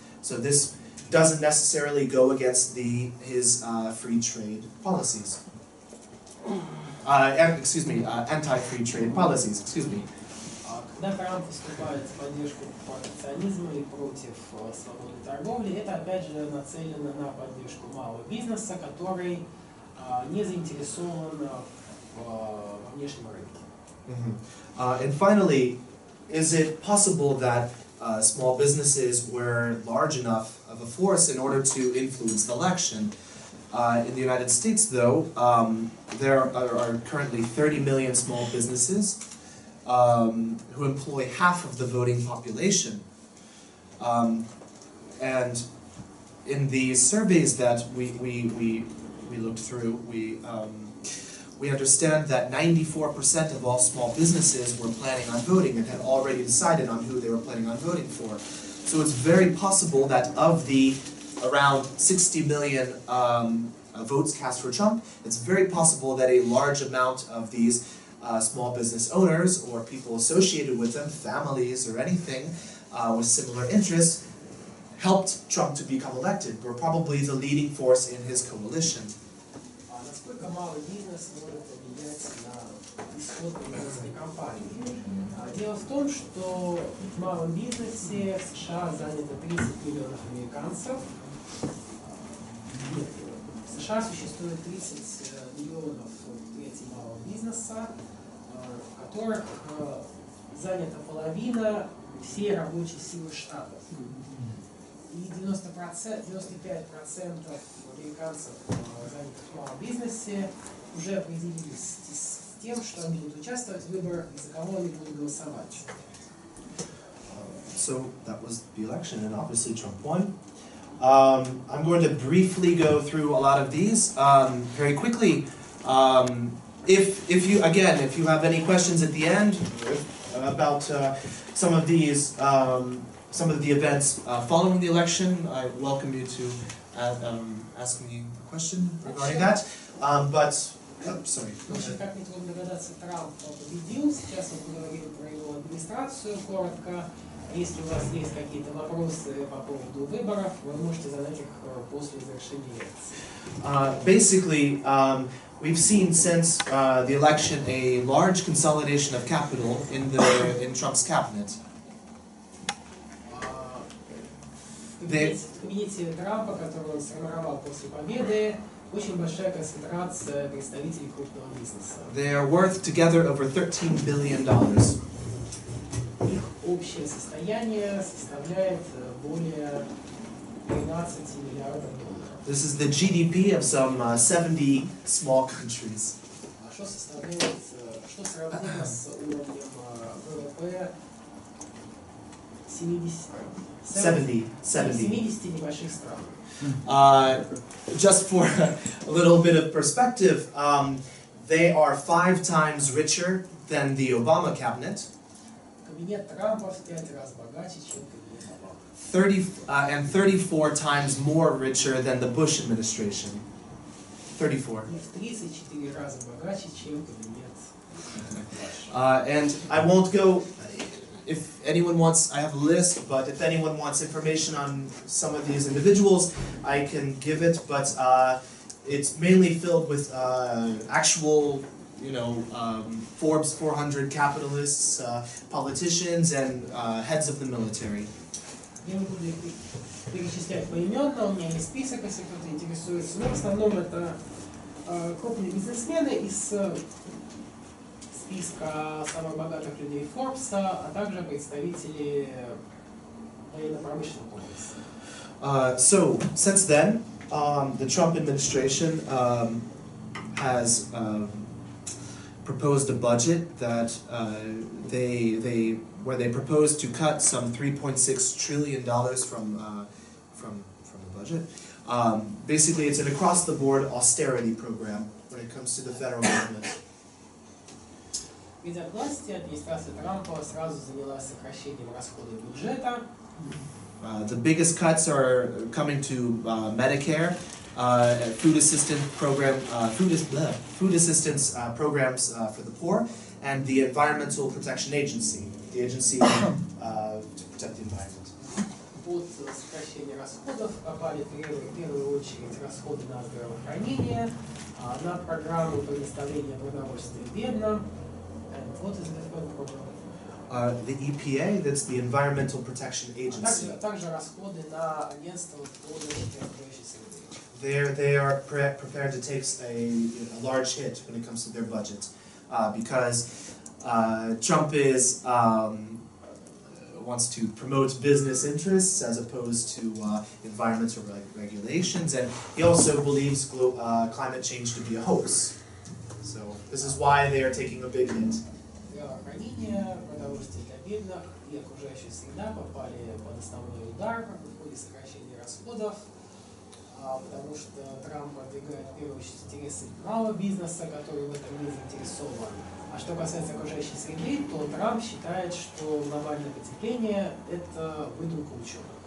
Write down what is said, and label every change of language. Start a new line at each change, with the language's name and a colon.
English: So this doesn't necessarily go against his free trade policies. Anti-free trade policies,
Russian: Когда Трамп выступает в поддержку протекционизма и против свободной торговли, это опять же нацелено на поддержку малого бизнеса, который не заинтересован во внешнем рынке. Mm-hmm.
English: And finally, is it possible that small businesses were large enough of a force in order to influence the election? In the United States, though, there are currently 30 million small businesses. Who employ half of the voting population. And in the surveys that we looked through, we understand that 94% of all small businesses were planning on voting and had already decided on who they were planning on voting for. So it's very possible that of the around 60 million votes cast for Trump, it's very possible that a large amount of these small business owners or people associated with them, families or anything with similar interests, helped Trump to become elected, were probably the leading force in his coalition.
Russian: Насколько малый бизнес может повлиять на исход президентской кампании? Дело в том, что в малом бизнесе в США занято 30 миллионов американцев. В США существует 30 миллионов третий малого бизнеса, в которых занята половина всей рабочей силы штатов. И 95% американцев, занятых в малом бизнесе, уже определились с тем, что они будут участвовать в выборах и за кого они будут голосовать.
English: So that was the election, and obviously Trump won. I'm going to briefly go through a lot of these very quickly. If you have any questions at the end about some of the events following the election, I welcome you to ask me a question regarding that.
Russian: Как мне трудно догадаться, Трамп победил. Сейчас мы поговорим про его администрацию коротко. Если у вас есть какие-то вопросы по поводу выборов, вы можете задать их после завершения лекции.
English: We've seen since the election a large consolidation of capital in Trump's cabinet.
Russian: В кабинете Трампа, который он сформировал после победы, очень большая концентрация представителей крупного бизнеса.
English: They are worth together over $13 billion.
Russian: Их общее состояние составляет более 13 миллиардов долларов.
English: This is the GDP of some 70 small countries.
Russian: А что составляет, что сравнимо с уровнем ВВП 70 небольших стран?
English: Just for a little bit of perspective, they are 5 times richer than the Obama cabinet.
Russian: Кабинет Трампа в 5 раз богаче, чем кабинет Обамы.
English: 34 times more richer than the Bush administration. 34
Russian: раза богаче, чем кабинет.
English: And I won't go. If anyone wants, I have a list, but if anyone wants information on some of these individuals, I can give it, but it's mainly filled with actual, you know, Forbes 400 capitalists, politicians, and heads of the military.
Russian: Я не буду их перечислять поименно, у меня есть список, если кто-то интересуется. Но в основном это крупные бизнесмены из списка самых богатых людей Forbes, а также представители военно-промышленного комплекса.
English: So, since then, the Trump administration has proposed a budget that they proposed to cut some $3.6 trillion from the budget. Basically, it's an across-the-board austerity program when it comes to the federal government.
Russian: Ведь от власти администрация Трампа сразу занялась сокращением расходов бюджета.
English: The biggest cuts are coming to Medicare, food assistance program, food assistance programs for the poor, and the Environmental Protection Agency, the agency to protect the environment.
Russian: Под сокращение расходов попали в первую очередь расходы на здравоохранение, на программу предоставления продовольствия бедным.
English: What is this program? The EPA, that's the Environmental Protection Agency.
Russian: Также расходы на агентство по защите окружающей среды.
English: They are prepared to take a large hit when it comes to their budget, because Trump is wants to promote business interests as opposed to environmental regulations, and he also believes climate change to be a hoax. So this is why they are taking a big hit.
Russian: Здравоохранение, продовольствие для бедных и окружающая среда попали под основной удар в ходе сокращения расходов, потому что Трамп продвигает в первую очередь интересы малого бизнеса, который в этом не заинтересован. А что касается окружающей среды, то Трамп считает, что глобальное потепление – это выдумка ученых.